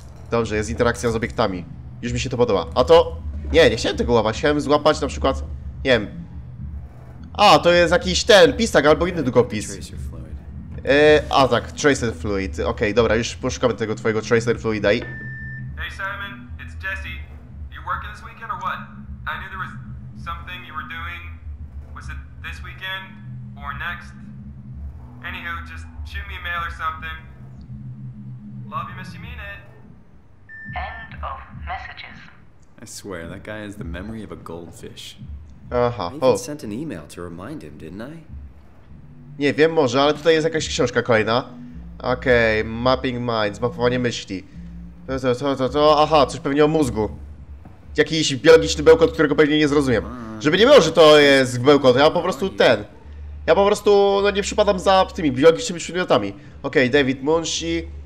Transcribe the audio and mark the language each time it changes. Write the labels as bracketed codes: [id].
[pl] Dobrze, jest interakcja z obiektami. Już mi się to podoba. A to... Nie chciałem tego łapać. Chciałem złapać na przykład... Nie wiem. A, to jest jakiś ten pisak albo inny długopis. A tak, tracer fluid. Okej, dobra, już poszukamy tego twojego tracer fluida i... [en] Hey Simon, it's Jesse. You working this weekend or what? I knew there was something you were doing. Was it this weekend? Or next? Anywho, just... Shoot me a mail or something. Love you, miss you, mean it. End of messages. I swear, that guy has the memory of a goldfish. Aha, I even sent an email to remind him, didn't I? [pl] Nie wiem, może, ale tutaj jest jakaś książka kolejna. Okej, mapping minds, mapowanie myśli. To. Aha, coś pewnie o mózgu. Jakiś biologiczny bełkot, którego pewnie nie zrozumiem. Żeby nie było, że to jest bełkot, ja po prostu ten. Ja po prostu, no, nie przypadam za tymi biologicznymi przedmiotami. Okej, David Munchie.